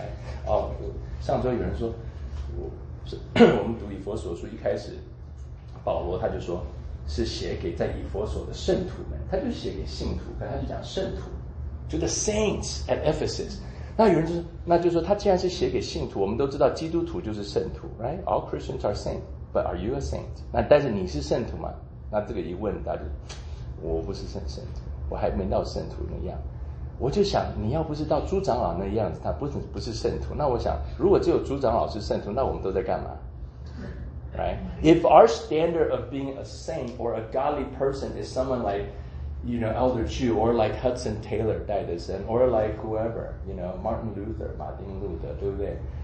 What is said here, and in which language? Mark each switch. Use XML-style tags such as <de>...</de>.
<zh>哎，哦，上周有人说，我们读以弗所书一开始，保罗他就说。是写给在以弗所的圣徒们，他就写给信徒，可他就讲圣徒，就 the saints at Ephesus。那有人就说，那就说他既然是写给信徒，我们都知道基督徒就是圣徒 ，right?</zh> <en>All Christians are saints, but are you a saint?</en> <zh>那但是你是圣徒吗？那这个一问，大家就我不是圣徒，我还没到圣徒那样。我就想，你要不是到朱长老那样子，他不是圣徒。那我想，如果只有朱长老是圣徒，那我们都在干嘛？</zh> <en>Right? If our standard of being a saint or a godly person is someone like, you know, Elder Chu or like Hudson Taylor, Dyson, or like whoever, you know, Martin Luther, 马丁路德，对不对？</en>